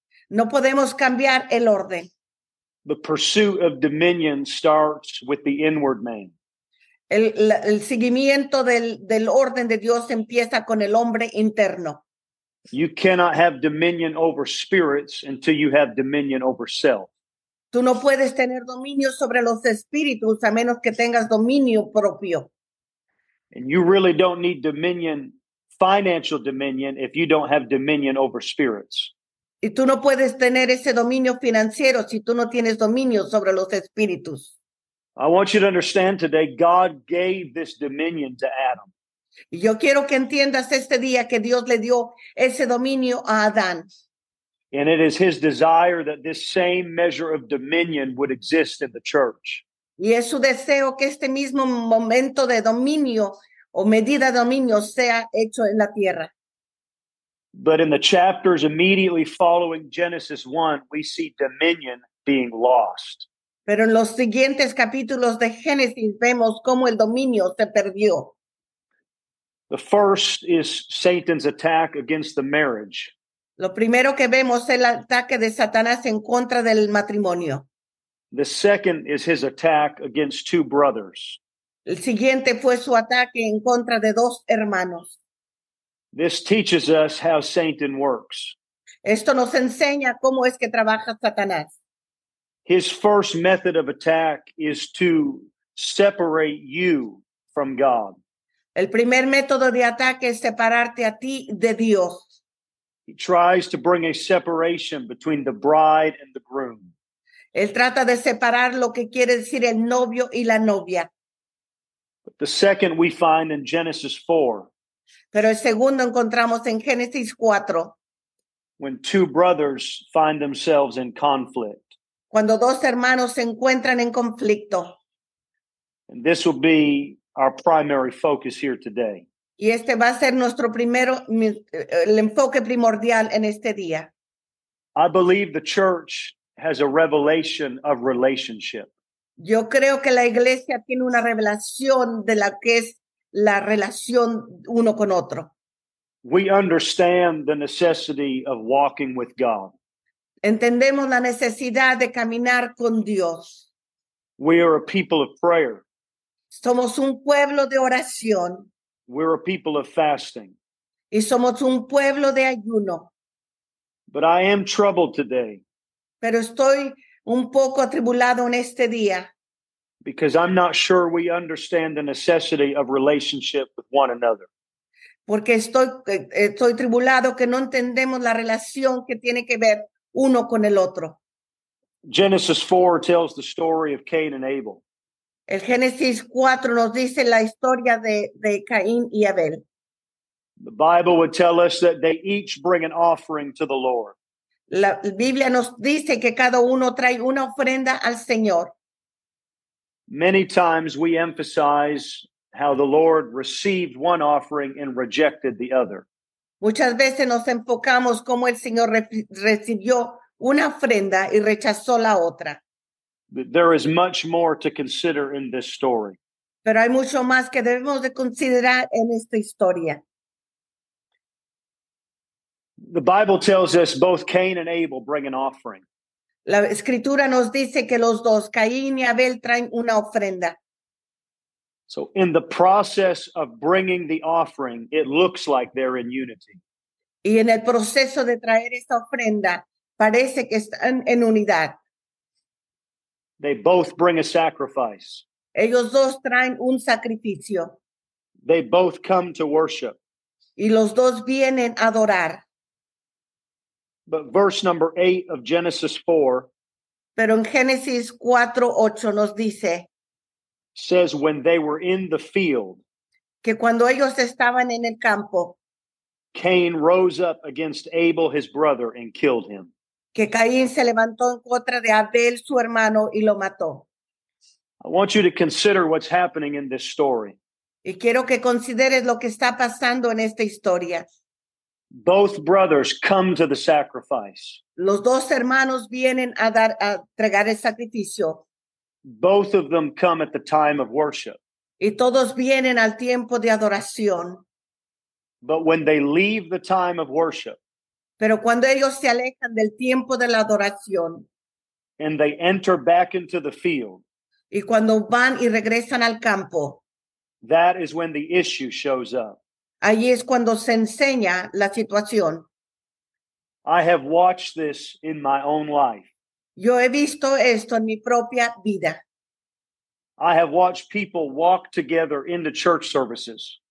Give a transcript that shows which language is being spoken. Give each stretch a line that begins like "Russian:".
Spanish: No podemos cambiar el orden.
English: The pursuit of dominion starts with the inward man.
Spanish: El seguimiento del orden de Dios empieza con el hombre interno.
English: You cannot have dominion over spirits until you have dominion over self.
Spanish: Tú no puedes tener dominio sobre los espíritus a menos que tengas dominio propio.
English: And you really don't need dominion, financial dominion, if you don't have dominion over spirits.
Spanish: Y tú no puedes tener ese dominio financiero si tú no tienes dominio sobre los espíritus.
English: I want you to understand today, God gave this dominion to Adam.
Spanish: Y yo quiero que entiendas este día que Dios le dio ese dominio a Adán.
English: And it is his desire that this same measure of dominion would exist in the church.
Spanish: Y es su deseo que este mismo momento de dominio o medida de dominio sea hecho en la tierra.
English: But in the chapters immediately following Genesis 1, we see dominion being lost.
Spanish: Pero en los siguientes capítulos de Génesis vemos cómo el dominio se perdió.
English: The first is Satan's attack against the marriage.
Spanish: Lo primero que vemos es el ataque de Satanás en contra del matrimonio.
English: The second is his attack against two brothers.
Spanish: El siguiente fue su ataque en contra de dos hermanos.
English: This teaches us how Satan works.
Spanish: Esto nos enseña cómo es que trabaja Satanás.
English: His first method of attack is to separate you from God.
Spanish: El primer método de ataque es separarte a ti de Dios.
English: He tries to bring a separation between the bride and the groom.
Spanish: Él trata de separar lo que quiere decir el novio y la novia.
English: But the second we find in Genesis 4.
Spanish: Pero el segundo encontramos en Génesis 4.
English: When two brothers find themselves in conflict.
Spanish: Cuando dos hermanos se encuentran en conflicto.
English: And this will be our primary focus here today.
Spanish: Y este va a ser nuestro primero, el enfoque primordial en este día.
English: I believe the church has a revelation of relationship.
Spanish: Yo creo que la iglesia tiene una revelación de lo que es la relación uno con otro.
English: We understand the necessity of walking with God.
Spanish: Entendemos la necesidad de caminar con Dios.
English: We are a people of prayer.
Spanish: Somos un pueblo de oración.
English: We're a people of fasting.
Spanish: Y somos un pueblo de ayuno.
English: But I am troubled today.
Spanish: Pero estoy un poco atribulado en este día.
English: Because I'm not sure we understand the necessity of relationship with one another.
Spanish: Porque estoy atribulado que no entendemos la relación que tiene que ver uno con el otro.
English: Genesis 4 tells the story of Cain and Abel.
Spanish: El Génesis 4 nos dice la historia de Caín y Abel.
English: The Bible would tell us that they each bring an offering to the Lord.
Spanish: La Biblia nos dice que cada uno trae una ofrenda al Señor.
English: Many times we emphasize how the Lord received one offering and rejected the other.
Spanish: Muchas veces nos enfocamos cómo el Señor recibió una ofrenda y rechazó la otra.
English: There is much more to consider in this story.
Spanish: Pero hay mucho más que debemos de considerar en esta historia.
English: The Bible tells us both Cain and Abel bring an offering.
Spanish: La Escritura nos dice que los dos, Caín y Abel, traen una ofrenda.
English: So in the process of bringing the offering, it looks like they're in unity.
Spanish: Y en el proceso de traer esta ofrenda, parece que están en unidad.
English: They both bring a sacrifice.
Spanish: Ellos dos traen un sacrificio.
English: They both come to worship.
Spanish: Y los dos vienen a adorar.
English: But verse number 8 of Genesis 4.
Spanish: Pero en Génesis 4:8 nos dice.
English: Says when they were in the field,
Spanish: que cuando ellos estaban en el campo,
English: Cain rose up against Abel his brother and killed him.
Spanish: Que Caín se levantó en contra de Abel su hermano y lo mató.
English: I want you to consider what's happening in this story.
Spanish: Y quiero que consideres lo que está pasando en esta historia.
English: Both brothers come to the sacrifice.
Spanish: Los dos hermanos vienen a entregar el sacrificio.
English: Both of them come at the time of worship.
Spanish: Y todos vienen al tiempo de adoración.
English: But when they leave the time of worship.
Spanish: Pero cuando ellos se alejan del tiempo de la adoración.
English: And they enter back into the field.
Spanish: Y cuando van y regresan al campo.
English: That is when the issue shows up.
Spanish: Ahí es cuando se enseña la situación.
English: I have watched this in my own life.
Spanish: Yo he visto esto en mi propia vida.
English: I have watched people walk together into church services.